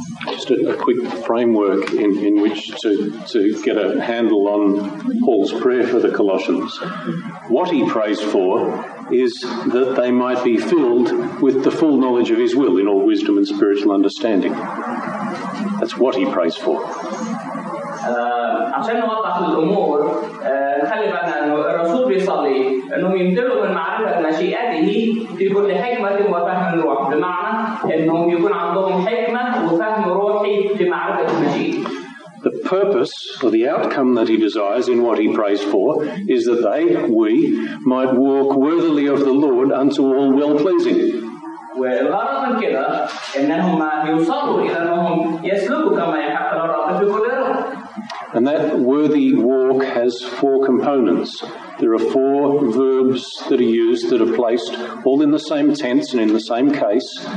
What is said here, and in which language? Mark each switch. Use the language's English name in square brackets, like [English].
[English] Just a quick framework in which to get a handle on Paul's prayer for the Colossians. What he prays for is that they might be filled with the full knowledge of his will in all wisdom and spiritual understanding. That's what he prays for. [Arabic] عشان نوضح الأمور نخلي بالنا أن الرسول بيصلي أنهم يمتلوا من معرفة مشيئته في كل حكمة وفهم روح بمعنى أنهم يكون عندهم حكمة وفهم روحي في معرفة المشيئة. [English] The purpose or the outcome that he desires in what he prays for is that they, we, might walk worthily of the Lord unto all well-pleasing. [Arabic] والغرض من كده انهم يوصلوا الى انهم يسلكوا كما يحق للرب في كل روح. [English] And that worthy walk has four components. There are four verbs that are used that are placed all in the same tense and in the same case.